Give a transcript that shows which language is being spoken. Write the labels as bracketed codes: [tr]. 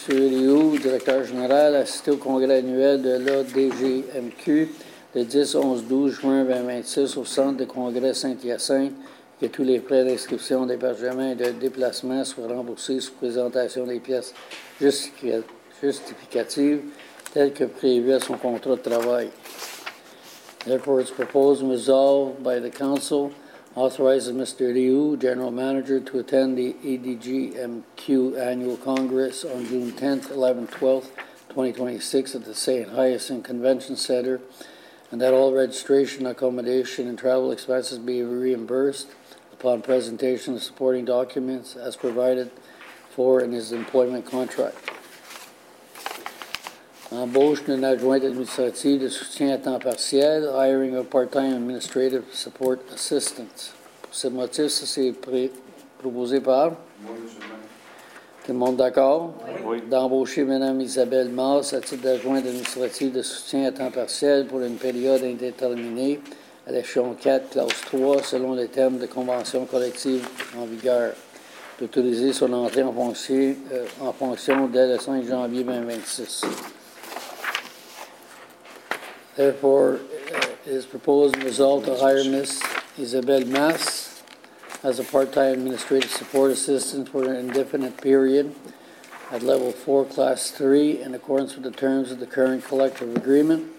[fr] Liu, directeur général, à assister au congrès annuel de l'ADGMQ le 10-11-12 juin 2026 au centre des congrès Saint-Hyacinthe. Que tous les frais d'inscription, d'hébergement et de déplacement soient remboursés sous présentation des pièces justificatives telles que prévues à son contrat de travail. [en] Therefore, it's proposed and resolved by the Council authorizes Mr. Liu, General Manager, to attend the EDGMQ Annual Congress on June 10th, 11th, 12th, 2026 at the St. Hyacinthe Convention Center and that all registration, accommodation, and travel expenses be reimbursed upon presentation of supporting documents as provided for in his employment contract. [fr] Embauche d'un adjoint administratif de soutien à temps partiel, [en] hiring of part-time administrative support assistant. [fr] Pour ce motif, ça c'est proposé par? Oui. Tout le monde d'accord? Oui. D'embaucher Mme Isabelle Mars à titre d'adjoint administratif de soutien à temps partiel pour une période indéterminée, à l'échelon 4, clause 3, selon les termes de convention collective en vigueur, d'autoriser son entrée en fonction dès le 5 janvier 2026. [en] Therefore, it is proposed and resolved to hire Ms. Isabelle Mass as a part-time administrative support assistant for an indefinite period at level 4, class 3, in accordance with the terms of the current collective agreement.